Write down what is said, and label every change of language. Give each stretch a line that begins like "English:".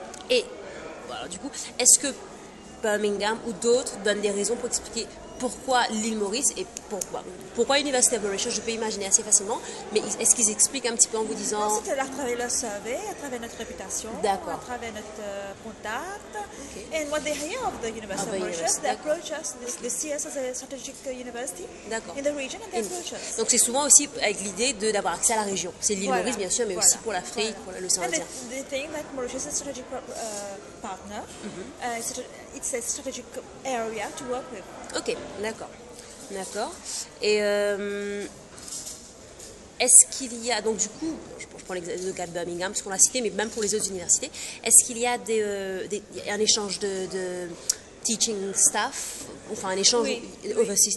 French: Et voilà, du coup, est-ce que Birmingham ou d'autres donnent des raisons pour expliquer pourquoi l'île Maurice et pourquoi l'Université de Mauritius? Je peux imaginer assez facilement, mais est-ce qu'ils expliquent un petit peu en vous disant... Non, c'était à travers leur survey, à travers notre réputation, d'accord. à travers notre contact.
English: Okay. And what they hear of the University of Mauritius,
French: d'accord.
English: they approach us, they see us as a strategic university
French: d'accord.
English: in the region and they approach us.
French: Donc c'est souvent aussi avec l'idée d'avoir accès à la région. C'est l'île voilà. Maurice bien sûr, mais voilà. aussi pour l'Afrique, voilà. pour le Saint-Indien.
English: And they think that Mauritius is a strategic partner, it's a strategic area to work with.
French: Ok, d'accord. D'accord. Et est-ce qu'il y a, donc du coup, je prends le cas de Birmingham, parce qu'on l'a cité, mais même pour les autres universités, est-ce qu'il y a un échange de teaching staff, enfin un échange oui,
English: overseas
French: oui,